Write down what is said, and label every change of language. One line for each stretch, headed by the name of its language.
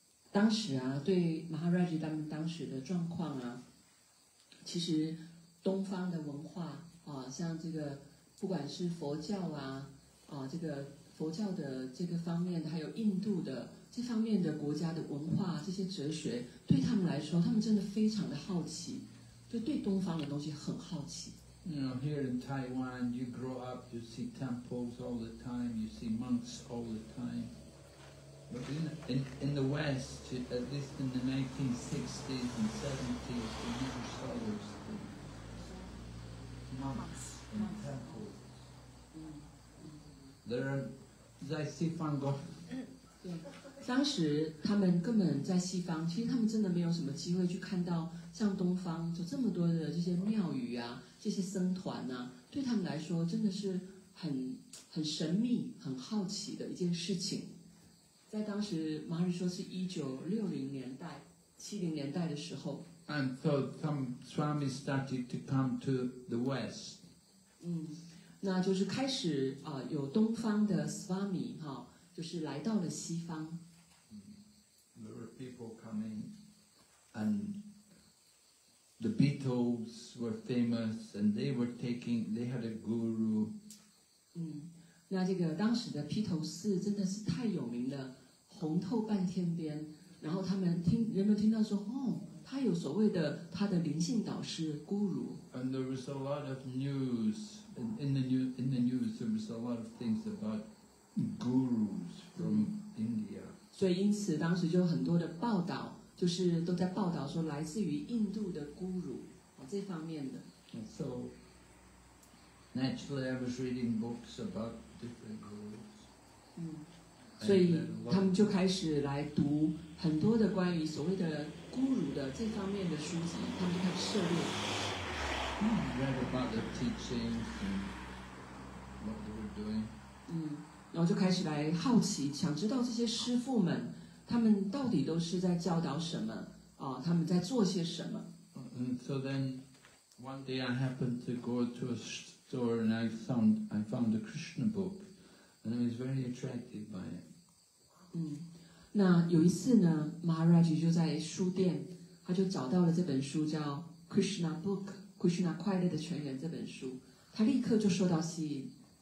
Chinese: 当时啊，对 Maharaj 他们当时的状况啊，其实东方的文化啊，像这个不管是佛教啊，啊这个佛教的这个方面的，还有印度的这方面的国家的文化，这些哲学对他们来说，他们真的非常的好奇，就对东方的东西很好奇。
English: You know, here in Taiwan, you grow up, you see temples all the time, you see monks all the time. But in the West, at least in the 1960s and 70s, we never saw those things. Monks in temples. There are
Chinese: 在西方国。对，当时他们根本在西方，其实他们真的没有什么机会去看到像东方就这么多的这些庙宇啊，这些僧团啊，对他们来说真的是很神秘、很好奇的一件事情。在当时，马尔说是1960年代、70年代的时候。
English: And so some Swami started to come to the West.
Chinese: 那就是开始啊，有东方的 Swami 哈，就是来到了西方。
English: There were people coming, and the Beatles were famous, and they were taking. They had a guru.
Chinese: 那这个当时的披头士真的是太有名了。红透半天边，然后他们听人们听到说，哦，他有所谓的他的灵性导师 Guru。
English: And there was a lot of news in the news. There was a lot of things about gurus from India.
Chinese: 所以因此当时就很多的报道，就是都在报道说来自于印度的 Guru 这方面的。
English: And so naturally, I was reading books about different gurus.
Chinese: 所以他们就开始来读很多的关于所谓的孤儒的这方面的书籍，他们就开始涉猎。
English: Read about the teachings and what they were doing.
Chinese: 然后就开始来好奇，想知道这些师父们他们到底都是在教导什么，他们在做些什么。
English: So then, one day I happened to go to a store and I found the Krishna book and I was very attracted by it.
Chinese: 那有一次呢 Maharaj 就在书店他就找到了这本书叫 Krishna Book Krishna 快乐的泉源这本书他立刻就受到吸引